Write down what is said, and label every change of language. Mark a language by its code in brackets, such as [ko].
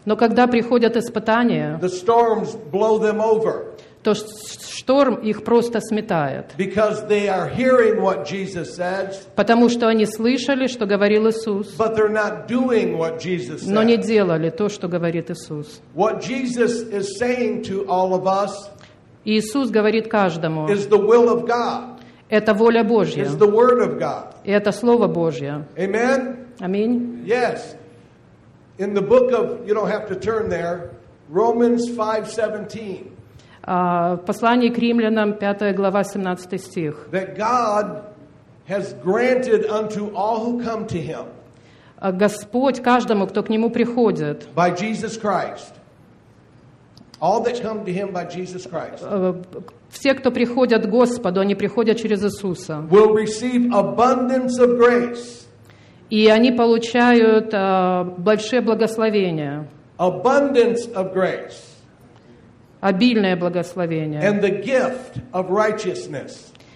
[ru] Но когда приходят испытания. [en] The storms blow them over. [ru] То шторм их просто сметает. [en] Because they are hearing what Jesus said. [ru] Потому что они слышали, что говорил Иисус. [en] But they're not doing what Jesus said. [ru] Но не делали то, что говорит Иисус. [en] What Jesus is saying to all of us. [ru] Иисус говорит каждому. [en] Is the will of God. [ru] Это воля Божья. [en] Is the word of God. [ru] И это слово Божье. [en] Amen. [ru] Аминь. [en] Yes. In the book of, you don't have to turn there, Romans 5:17. [ru] В послании к римлянам, 5 глава, 17 стих. [en] That God has granted unto all who come to him. [ru] Господь каждому, кто к нему приходит. [en] By Jesus Christ. All that come to him by Jesus Christ. [ru] Все, кто приходят к Господу, они приходят через Иисуса. [en] Will receive abundance of grace. [ru] И они получают большие благословения. [en] Abundance of grace. [ru] Обильное благословение. [en] And the gift of righteousness.